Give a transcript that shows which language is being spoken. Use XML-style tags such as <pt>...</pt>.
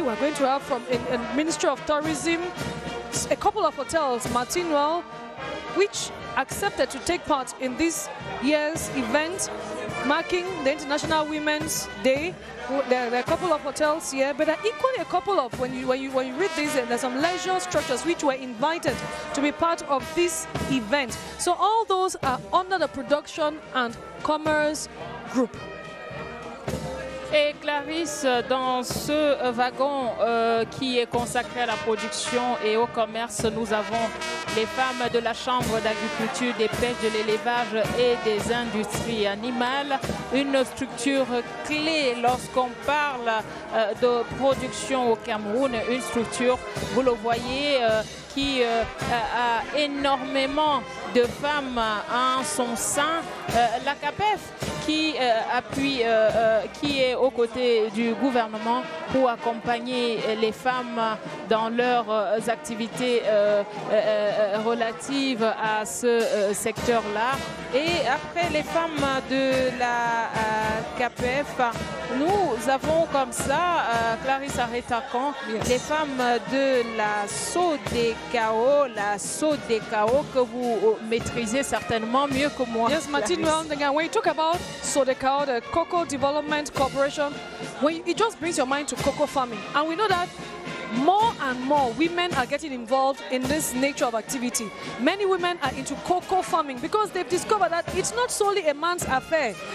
<en>We're going to have from the Ministry of Tourism. A couple of hotels, Martinwell, which accepted to take part in this year's event, marking the International Women's Day. There are a couple of hotels here, but there are equally a couple of, when you read this, there's some leisure structures which were invited to be part of this event. So all those are under the production and commerce group.</en> <fr>Et Clarisse, dans ce wagon qui est consacré à la production et au commerce, nous avons les femmes de la Chambre d'agriculture, des pêches, de l'élevage et des industries animales. Une structure clé lorsqu'on parle de production au Cameroun, une structure, vous le voyez, qui a énormément de femmes en son sein. La CAPEF, qui est aux côtés du gouvernement pour accompagner les femmes dans leurs activités relatives à ce secteur-là. Et après les femmes de la KPF, nous avons comme ça, Clarisse Arétacan, les femmes de la SODECAO, la SODECAO que vous maîtrisez certainement mieux que moi.</fr> <en>Yes, Martine, well, when you talk about SODECAO, the Cocoa Development Corporation, it just brings your mind to cocoa farming. And we know that more and more women are getting involved in this nature of activity. Many women are into cocoa farming because they've discovered that it's not solely a man's affair.</en>